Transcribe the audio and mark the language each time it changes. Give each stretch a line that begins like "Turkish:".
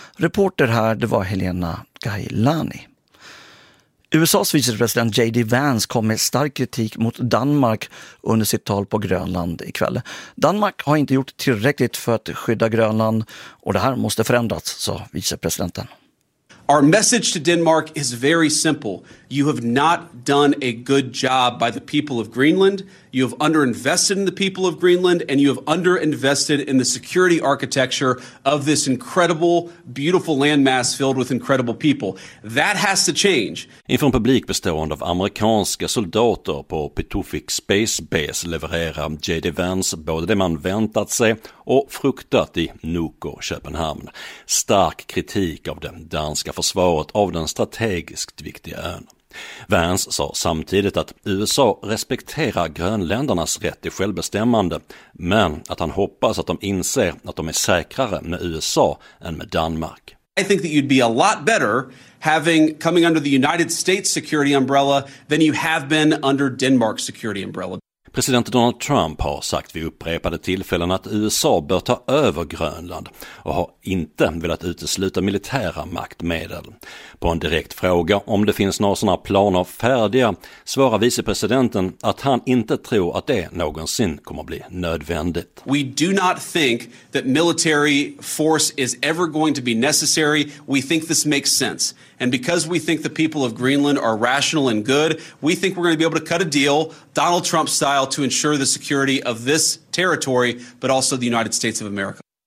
Swedish: Reporter här, det var Helena Gailani. USAs vicepresident J.D. Vance kom med stark kritik mot Danmark under sitt tal på Grönland ikväll. Danmark har inte gjort tillräckligt för att skydda Grönland och det här måste förändras, sa vicepresidenten.
English: Our message to Denmark is very simple. You have not done a good job by the people of Greenland. You have underinvested in the people of Greenland and you have underinvested in the security architecture of this incredible, beautiful landmass filled with incredible people. That has to change.
Swedish: Inför en publik bestående av amerikanska soldater på Pituffik Space Base levererar J.D. Vance både det man väntat sig och fruktat i Nuuk, Köpenhamn. Stark kritik av det danska försvaret av den strategiskt viktiga ön. Vance sa samtidigt att USA respekterar grönländernas rätt till självbestämmande, men att han hoppas att de inser att de är säkrare med USA än med Danmark.
English: I think that you'd be a lot better coming under the United States security umbrella than you have been under Denmark's security umbrella.
Swedish: President Donald Trump har sagt vid upprepade tillfällen att USA bör ta över Grönland och har inte velat utesluta militära maktmedel. På en direkt fråga om det finns några sådana planer färdiga svarar vicepresidenten att han inte tror att det någonsin kommer att bli nödvändigt.
English: We do not think that military force is ever going to be necessary. We think this makes sense. And because we think the people of Greenland are rational and good, we think we're going to be able to cut a deal, Donald Trump style, to ensure the security of this territory, but also the United States of America.